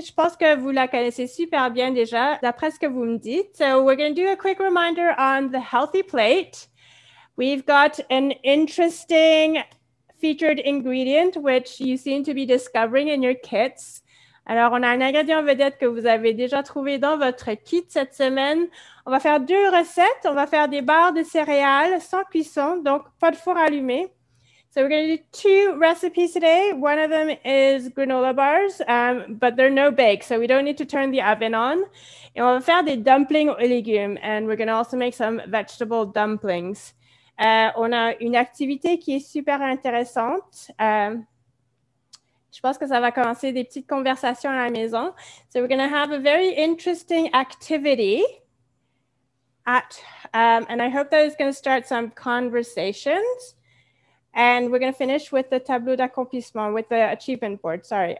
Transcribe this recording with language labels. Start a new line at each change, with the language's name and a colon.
French: Je pense que vous la connaissez super bien déjà, d'après ce que vous me dites.
English: So, we're going to do a quick reminder on the healthy plate. We've got an interesting featured ingredient, which you seem to be discovering in your kits.
French: Alors, on a un ingrédient vedette que vous avez déjà trouvé dans votre kit cette semaine. On va faire 2 recettes. On va faire des barres de céréales sans cuisson, donc pas de four allumé.
English: So we're going to do 2 recipes today. One of them is granola bars, but they're no bake, so we don't need to turn the oven on.
French: Et on va faire des dumplings aux légumes,
English: and we're going to also make some vegetable dumplings.
French: On a une activité qui est super intéressante. Je pense que ça va commencer des petites conversations à la maison.
English: So we're going to have a very interesting activity at, and I hope that is going to start some conversations. And we're going to finish with the
French: tableau d'accomplissement,
English: with the achievement board, sorry.